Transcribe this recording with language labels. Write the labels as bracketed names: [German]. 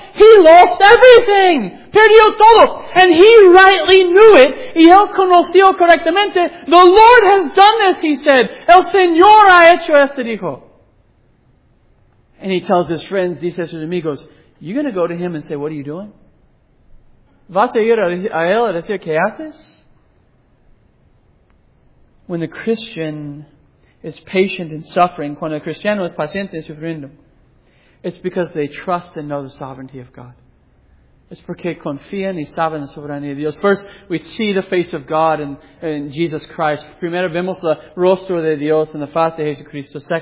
[English] He lost everything. [Spanish] Perdió todo. [English] And he rightly knew it. [Spanish] Y él conoció correctamente. [English] The Lord has done this, he said. [Spanish] El Señor ha hecho esto, dijo. [English] And he tells his friends, he says to his amigos, you're going to go to him and say, what are you doing? [Spanish] ¿Vas a ir a él a decir qué haces? [English] When the Christian is patient in suffering, [Spanish] cuando el cristiano es paciente en sufriendo, [English] It's because they trust and know the sovereignty of God. [Spanish] Es porque confían y saben la soberanía de Dios. [English] First, we see the face of God in Jesus Christ. [Spanish] Primero, vemos el rostro de Dios en la faz de Jesucristo.